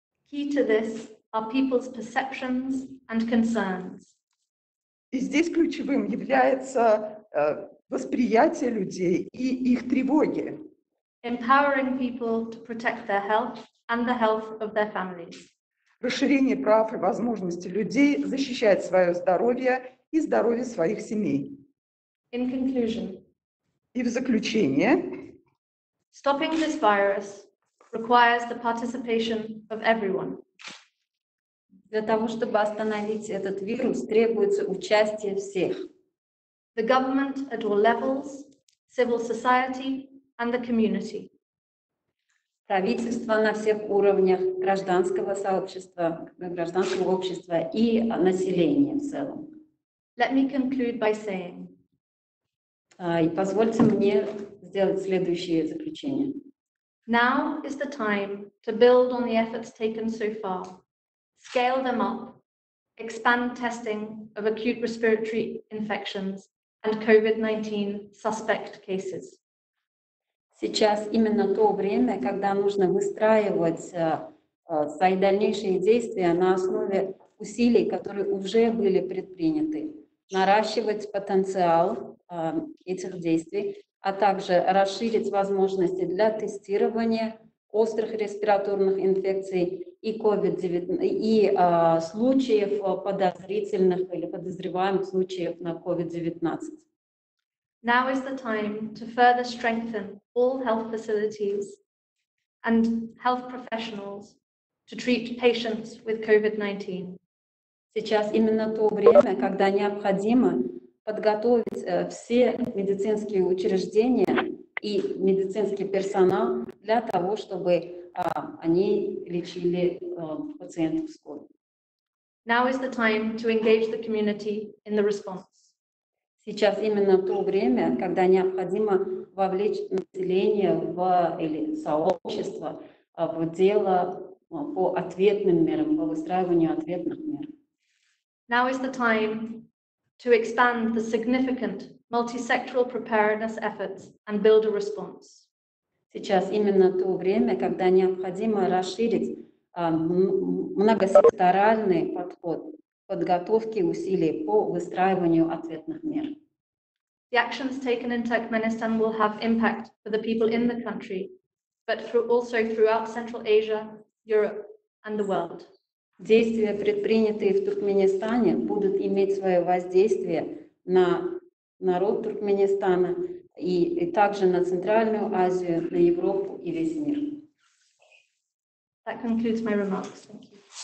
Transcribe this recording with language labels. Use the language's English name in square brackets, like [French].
[English] Key to this. Are people's perceptions and concerns. [Russian] И здесь ключевым является восприятие людей и их тревоги. [English] Empowering people to protect their health and the health of their families. [Russian] Расширение прав и возможностей людей защищать свое здоровье и здоровье своих семей. [English] In conclusion. [Russian] И в заключение. [English] Stopping this virus requires the participation of everyone. [Russian] Для того, чтобы остановить этот вирус, требуется участие всех. [English] The government at all levels, civil society, and the community. [Russian] Правительства на всех уровнях, гражданского сообщества, гражданского общества и населения в целом. [English] Let me conclude by saying. [Russian] И позвольте мне сделать следующее заключение. [English] Now is the time to build on the efforts taken so far, scale them up, expand testing of acute respiratory infections and COVID-19 suspect cases. [Russian] Сейчас именно то время, когда нужно выстраивать свои дальнейшие действия на основе усилий, которые уже были предприняты, наращивать потенциал этих действий, а также расширить возможности для тестирования острых респираторных инфекций и COVID-19, и случаев подозрительных или подозреваемых случаев на COVID-19. [English] Now is the time to further strengthen all health facilities and health professionals to treat patients with COVID-19. [Russian] Сейчас именно то время, когда необходимо подготовить все медицинские учреждения и медицинский персонал для того, чтобы они лечили пациентов с COVID. [English] Now is the time to engage the community in the response. [Russian] Сейчас именно то время, когда необходимо вовлечь население в, или сообщество в дело по ответным мерам, по выстраиванию ответных мер. [English] Now is the time to expand the significant multi-sectoral preparedness efforts and build a response. [Russian] Сейчас именно то время, когда необходимо расширить многосекторальный подход подготовки усилий по выстраиванию ответных мер. [English] The actions taken in Turkmenistan will have impact for the people in the country, but also throughout Central Asia, Europe, and the world. [Russian] Действия, предпринятые в Туркменистане, будут иметь свое воздействие на народ Туркменистана и также на Центральную Азию, на Европу и весь мир. [English] That concludes my remarks. Thank you.